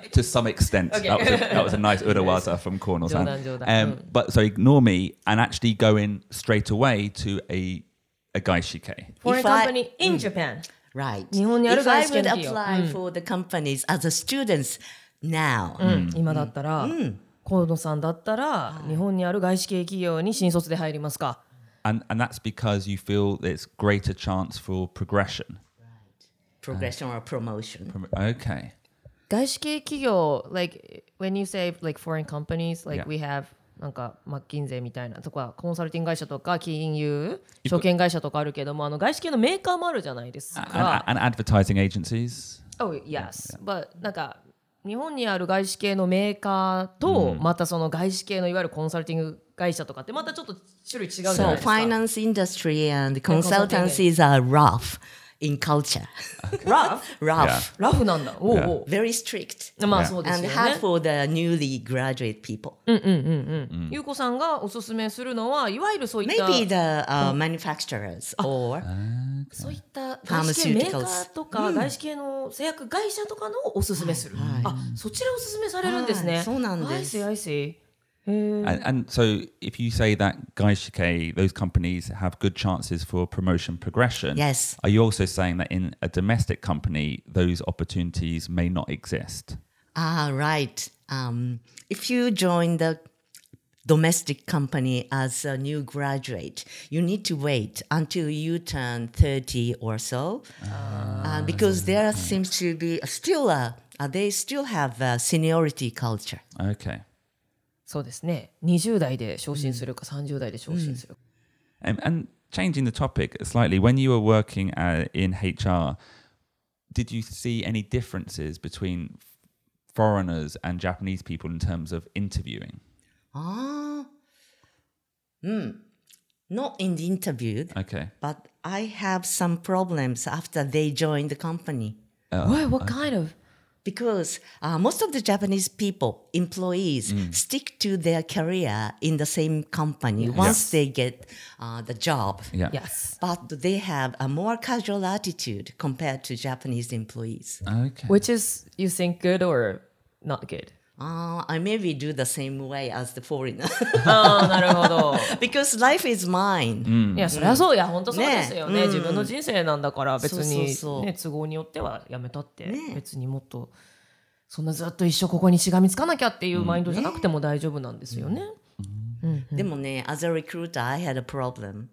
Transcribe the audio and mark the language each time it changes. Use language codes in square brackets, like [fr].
[en] To some extent, that was a nice urawaza from Kono-san. But so ignore me and actually go in straight away to a gaishike. For a company in Japan. Right. If I would apply for the companies as a student now. [ja] 今だったら、Kono-san だったら日本にある外資系企業に新卒で入りますか？ [en] And that's because you feel there's greater chance for progression. Right. Progression or promotion. Okay. [ja] 外資系企業, [en] like when you say like foreign companies, like we have [ja] なんかマッキンゼみたいなとかコンサルティング会社とか金融、証券会社とかあるけども、あの外資系のメーカーもあるじゃないですか。 [en] And advertising agencies. Oh, yes. Yeah. [ja] But なんか日本にある外資系のメーカーと、またその外資系のいわゆるコンサルティング会社とかってまたちょっと種類違うじゃないですか。 [en] So, finance industry and consultancies are rough in culture. [ja] Rough? Rough なんだ。おお。 [en] Very strict. [ja] まあそうですよね。 [en] And hard for the newly graduate people. [ja] ゆうこさんがおすすめするのは、いわゆるそういった… [en] Maybe the manufacturers or… [ja] そういった外資系メーカーとか外資系の製薬会社とかのおすすめする。あ、そちらおすすめされるんですね。そうなんです。 [en] I see, I see. And so if you say that gaishike, those companies have good chances for promotion progression, yes. Are you also saying that in a domestic company, those opportunities may not exist? Ah, right. If you join the domestic company as a new graduate, you need to wait until you turn 30 or so. Because there seems to be still they still have a seniority culture. Okay. [ja] そうですね。 20代で昇進するか30代で昇進するか。 [en] And changing the topic slightly, when you were working in HR, did you see any differences between foreigners and Japanese people in terms of interviewing? Not in the interviewed. Okay. But I have some problems after they joined the company. Because most of the Japanese people, employees, stick to their career in the same company once they get the job. Yeah. Yes. But they have a more casual attitude compared to Japanese employees. Okay. Which is, you think, good or not good? I maybe do the same way as the foreigner. [ja] Oh, なるほど。 [en] Because life is mine. [ja] いや、それはそう。いや、本当そうですよね。自分の人生なんだから、別に、ね、都合によってはやめたって、別にもっと、そんなずっと一生ここにしがみつかなきゃっていうマインドじゃなくても大丈夫なんですよね。でもね、 [en] as a recruiter, I had a problem.